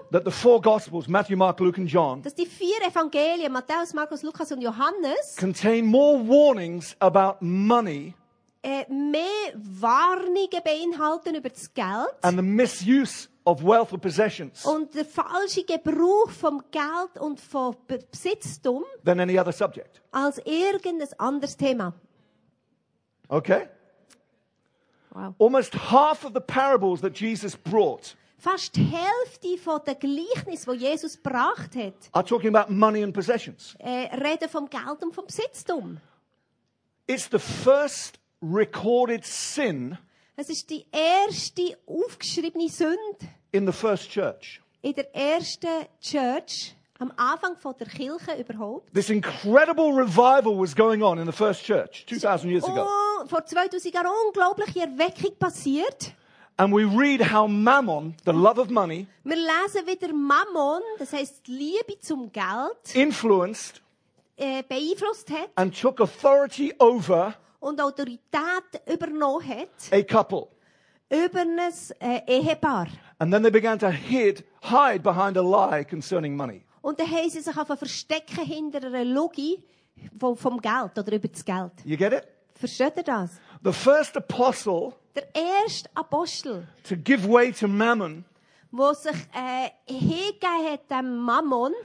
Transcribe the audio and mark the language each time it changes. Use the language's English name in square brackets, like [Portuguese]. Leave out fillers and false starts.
[English] that the four Gospels, Matthew, Mark, Luke, and John, [German] dass die vier Evangelien, Matthäus, Markus, Lukas und Johannes, [English] contain more warnings about money, [German] mehr Warnungen beinhalten über das Geld [English] and the misuse of wealth or possessions, [German] und der falsche Gebrauch vom Geld und von Besitztum, [English] than any other subject, [German] als irgendein anderes Thema. [English] Okay. Wow. Almost half of the parables that Jesus brought. [German] Fast die Hälfte von der Gleichnis, wo Jesus gebracht hat. [English] Are talking about money and possessions. [German] Reden vom Geld und vom Besitztum. [English] It's the first recorded sin. [German] Es ist die erste aufgeschriebene Sünde. [English] In the first church. [German] In der ersten Church. Am Anfang von der Kirche überhaupt. [English] This incredible revival was going on in the first church 2000 years ago. [German] Oh, vor 2000 Jahren unglaubliche Erweckung passiert. [English] And we read how Mammon, the love of money, [German] wir lesen wieder Mammon, das heißt Liebe zum Geld, [English] influenced, [German] beeinflusst hat, [English] and took authority over, [German] und Autorität übernommen hat, [English] a couple, [German] über ein Ehepaar. [English] And then they began to hide behind a lie concerning money. [German] Und dann haben sie sich verstecken hinter einer Logi vom Geld oder über das Geld. [English] You get it? [German] Versteht ihr das? [English] The first apostle, [German] der erste Apostel, [English] to give way to Mammon, [German] wo sich hingegeben hat dem Mammon,